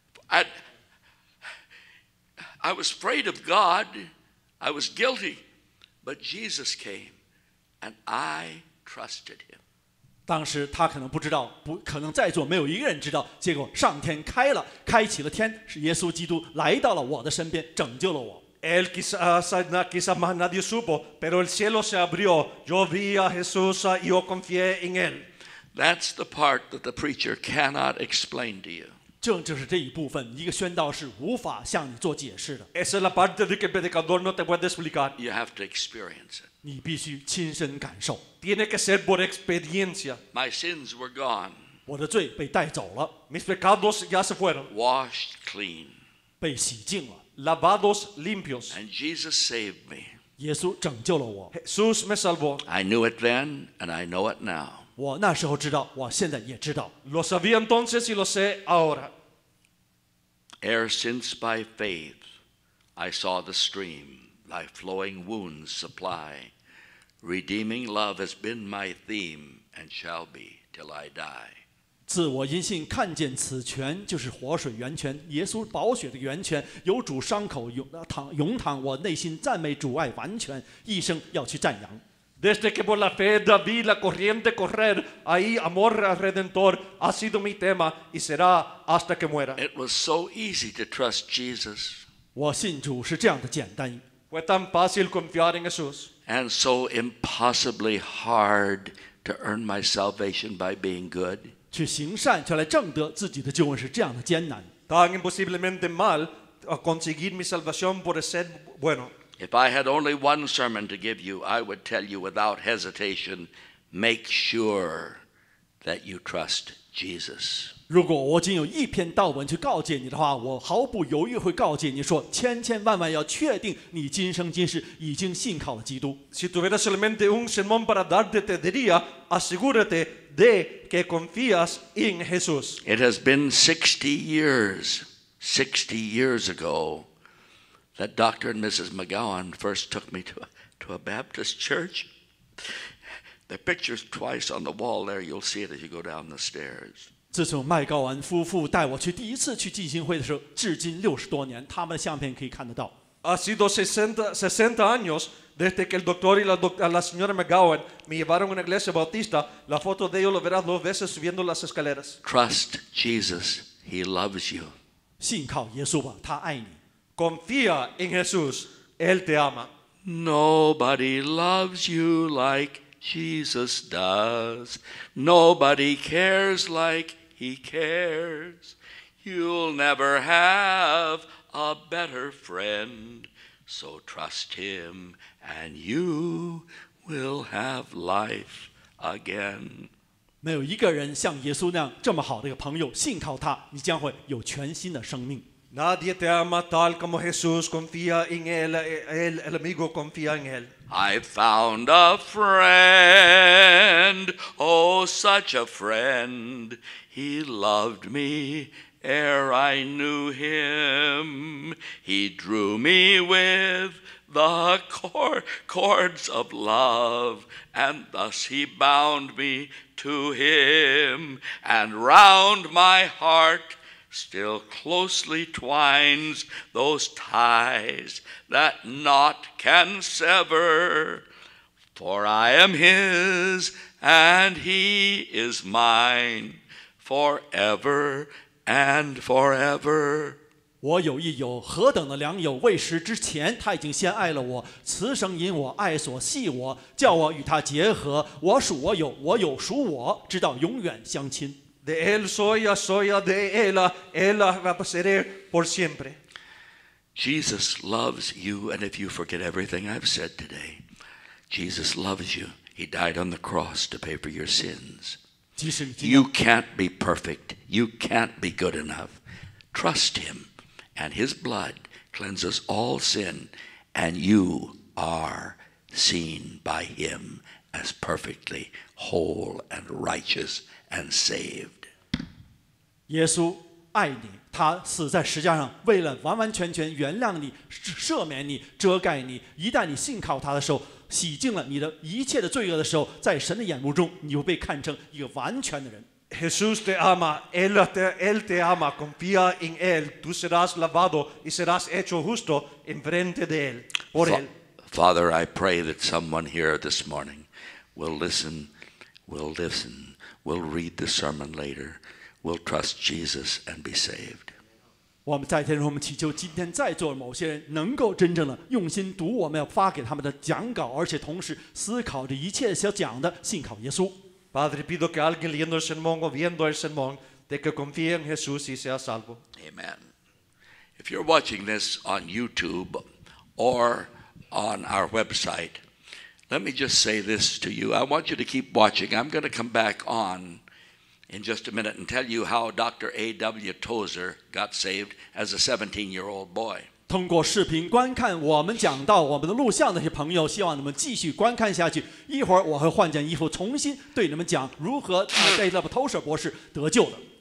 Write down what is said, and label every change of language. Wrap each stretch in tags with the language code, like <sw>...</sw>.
<en>I was afraid of God. I was guilty, but Jesus came, and I trusted him.</en> <zh>当时他可能不知道，不可能在座没有一个人知道。结果上天开了，开启了天，是耶稣基督来到了我的身边，拯救了我。</zh> <es>Él quizá más nadie supo, pero el cielo se abrió. Yo vi a Jesús y yo confié en él.</es> <en>That's the part that the preacher cannot explain to you.</en> <zh>正就是这一部分，一个宣道是无法向你做解释的。</zh> <es>Esa es la parte de que el predicador no te puede explicar.</es> <en>You have to experience it.</en> <zh>你必须亲身感受。</zh> <es>Tiene que ser por experiencia.</es> <en>My sins were gone.</en> <zh>我的罪被带走了。</zh> <es>Mis pecados ya se fueron.</es> <en>Washed clean.</en> <zh>被洗净了。</zh> <es>Lavados limpios.</es> <en>And Jesus saved me.</en> <zh>耶稣拯救了我。</zh> <es>Jesús me salvó.</es> <en>I knew it then, and I know it now.</en> <zh>我那时候知道，我现在也知道。</zh> <es>Lo sabía entonces y lo sé ahora.</es> <en>Ere since by faith I saw the stream, thy flowing wounds supply, redeeming love has been my theme and shall be till I die.</en> <zh>自我因信看见此泉就是活水源泉，耶稣宝血的源泉，有主伤口涌淌，我内心赞美主爱完全，一生要去赞扬。</zh> <es>Desde que por la fe da vi la corriente correr, ahí amor redentor ha sido mi tema y será hasta que muera.</es> <en>It was so easy to trust Jesus.</en> <zh>我信主是这样的简单。</zh> <es>Fue tan fácil confiar en Jesús.</es> <en>And so impossibly hard to earn my salvation by being good.</en> <zh>去行善却来证得自己的救恩是这样的艰难。</zh> <es>Tan imposiblemente mal conseguir mi salvación por ser bueno.</es> <en>If I had only one sermon to give you, I would tell you without hesitation, make sure that you trust Jesus.</en> <zh>如果我仅有一篇道文去告诫你的话，我毫不犹豫会告诫你说，千千万万要确定你今生今世已经信靠了基督。</zh> <es>Si tuvieras solamente un sermón para darte, te diría, asegúrate de que confías en Jesús.</es> <en>It has been 60 years ago. That Dr. and Mrs. McGowan first took me to a Baptist church. The picture's twice on the wall there. You'll see it as you go down the stairs.</en> <zh>自从麦高安夫妇带我去第一次去浸信会的时候，至今六十多年，他们的相片可以看得到。</zh> <es>Ha sido 60 años desde que el doctor y la señora McGowan me llevaron a una iglesia bautista. La foto de ellos lo verás dos veces subiendo las escaleras.</es> <en>Trust Jesus. He loves you.</en> <zh>信靠耶稣吧，他爱你。</zh> <es>Confía en Jesús, Él te ama.</es> <en>Nobody loves you like Jesus does. Nobody cares like He cares. You'll never have a better friend. So trust Him and you will have life again.</en> <zh>没有一个人像耶稣那样这么好的一个朋友，信靠他，你将会有全新的生命。</zh> <es>Nadie te ama tal como Jesús confía en él, el amigo confía en él.</es> <en>I found a friend, oh such a friend. He loved me ere I knew him. He drew me with the cords of love, and thus he bound me to him and round my heart still closely twines those ties that naught can sever. For I am his, and he is mine, forever and forever.</en> <zh>我有一友，何等的良友！未识之前，他已经先爱了我，此生因我爱所系我，叫我与他结合。我属我友，我友属我，直到永远相亲。</zh> <es>De él soy, soy de él, él va a ser por siempre.</es> <en>Jesus loves you, and if you forget everything I've said today, Jesus loves you. He died on the cross to pay for your sins. You can't be perfect. You can't be good enough. Trust him. And his blood cleanses all sin, and you are seen by him as perfectly whole and righteous and saved.</en> <zh>耶稣爱你，他死在十架上，为了完完全全原谅你，赦免你，遮盖你。一旦你信靠他的时候，洗净了你的一切的罪恶的时候，在神的眼目中，你就被看成一个完全的人。</zh> <es>Jesús te ama, él te ama, confía en él, tú serás lavado y serás hecho justo en frente de él, por él.</es> <en>Father, I pray that someone here this morning will listen, will read the sermon later, will trust Jesus and be saved.</en> <zh>我们在天上，我们祈求今天在座某些人能够真正的用心读我们要发给他们的讲稿，而且同时思考着一切想讲的，信靠耶稣。</zh> <es>Padre, pido que alguien leyendo el sermón o viendo el sermón de que confíe en Jesús y sea salvo.</es> <en>Amen. If you're watching this on YouTube or on our website, let me just say this to you. I want you to keep watching. I'm going to come back on in just a minute and tell you how Dr. A.W. Tozer got saved as a 17-year-old boy.</en> <zh>通过视频观看我们讲到我们的录像的朋友，希望你们继续观看下去。一会儿我会换件衣服，重新对你们讲如何在那个投射博士得救的。</zh>